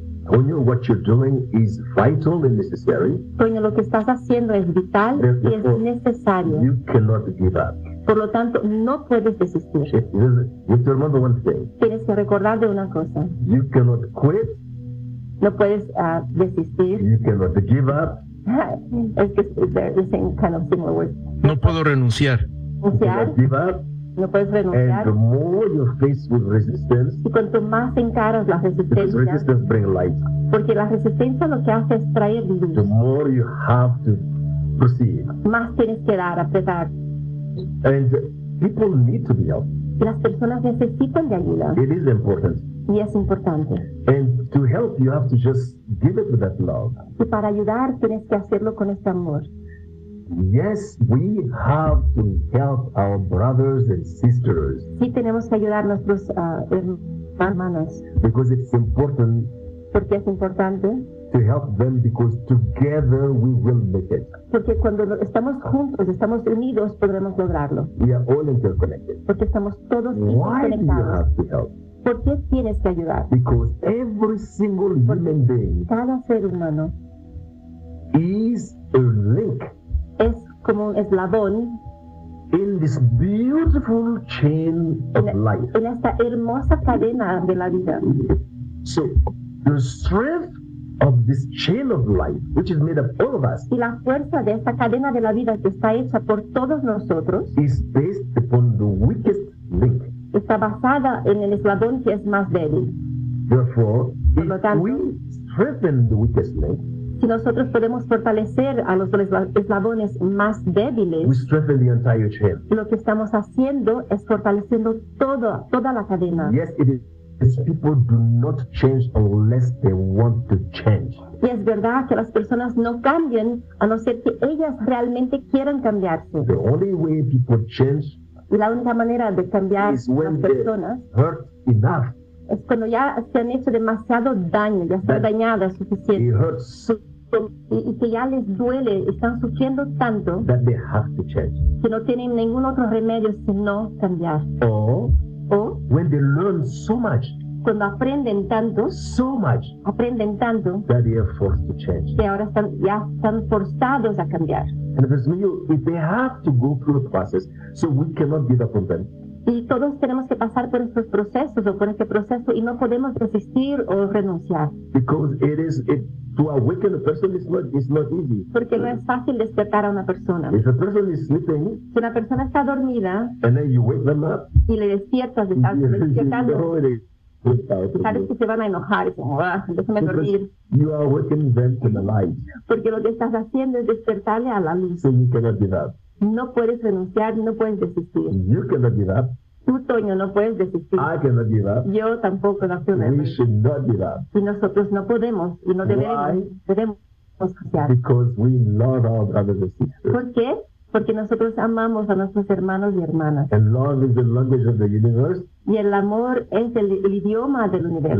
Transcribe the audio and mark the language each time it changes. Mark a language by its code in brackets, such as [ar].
[en] Toño, what you're doing is vital and necessary. [es] Toño, lo que estás haciendo es vital y es necesario. [en] You cannot give up. [es] Por lo tanto, no puedes desistir. [en] You have to remember one thing. [es] Tienes que recordar de una cosa. [en] You cannot quit. [es] No puedes desistir. [en] You cannot give up. [es] Es que [en] they're the same kind of similar words. [es] No puedo renunciar. No puedes renunciar. [en] And the more you face with resistance, [es] y cuanto más encaras la resistencia, [en] because resistance bring light. [es] Porque la resistencia lo que hace es traer luz. [en] The more you have to proceed. [es] Más tienes que dar, apretar. [en] And people need to be helped. [es] Y las personas necesitan de ayuda. [en] It is important. [es] Y es importante. [en] And to help, you have to just give it with that love. [es] Y para ayudar, tienes que hacerlo con este amor. [en] Yes, we have to help our brothers and sisters. [es] Sí, tenemos que ayudar a nuestros hermanos. [en] Because it's important. [es] Porque es importante. [en] To help them, because together we will make it. [es] Porque cuando estamos juntos, estamos unidos, podremos lograrlo. [en] We are all interconnected. [es] Porque estamos todos interconectados. [en] Why do you have to help? [es] ¿Por qué tienes que ayudar? [en] Because every single human being. [es] Cada ser humano. [en] Is a link. [es] Es como un eslabón. [en] In this beautiful chain of life. [es] En esta hermosa cadena de la vida. [en] So, the strength of this chain of life, which is made of all of us. [es] Y la fuerza de esta cadena de la vida que está hecha por todos nosotros. [en] Is based upon the weakest link. [es] Está basada en el eslabón que es más débil. [en] Therefore, [es] por lo tanto, [en] if we strengthen the weakest link. [es] Si nosotros podemos fortalecer a los eslabones más débiles, [en] we strengthen the entire chain. [es] Lo que estamos haciendo es fortaleciendo toda la cadena. [en] Yes, it is. These people do not change unless they want to change. [es] Y es verdad que las personas no cambian a no ser que ellas realmente quieran cambiarse. [en] The only way people change. [es] Y la única manera de cambiar [en] is when [es] las personas. [en] Hurt enough. [es] Es cuando ya se han hecho demasiado daño, ya están dañadas suficiente. [en] It hurts so, [es] y que ya les duele, están sufriendo tanto. [en] That they have to change. [es] Que no tienen ningún otro remedio sino cambiar. [en] O when they learn so much. [es] Cuando aprenden tanto. [en] So much. [es] Aprenden tanto. [en] That they are forced to change. [es] Que ahora ya están forzados a cambiar. [en] And if they have to go through the process, so we cannot give up on them. [es] Y todos tenemos que pasar por estos procesos o por este proceso y no podemos resistir o renunciar. [en] Because it is it, to awaken a person is not easy. [es] Porque no es fácil despertar a una persona. [en] If a person is sleeping, [es] si una persona está dormida, [en] and then you wake them up, [es] y le despiertas, despiertando, [en] you know it is. [es] Sabes que se van a enojar, déjame dormir. [en] You are awakening them to the light. [es] Porque lo que estás haciendo es despertarle a la luz. [en] So you cannot give up. [es] No puedes renunciar, no puedes desistir. [en] You cannot give up. [es] Tú, Toño, no puedes desistir. [en] I cannot give up. [es] Yo tampoco, no puedo. [en] We should not give up. [es] Y nosotros no podemos y no debemos. [en] Why? Because we love our brothers and sisters. [es] ¿Por qué? Porque nosotros amamos a nuestros hermanos y hermanas. [en] And love is the language of the universe. [es] Y el amor es el idioma del universo.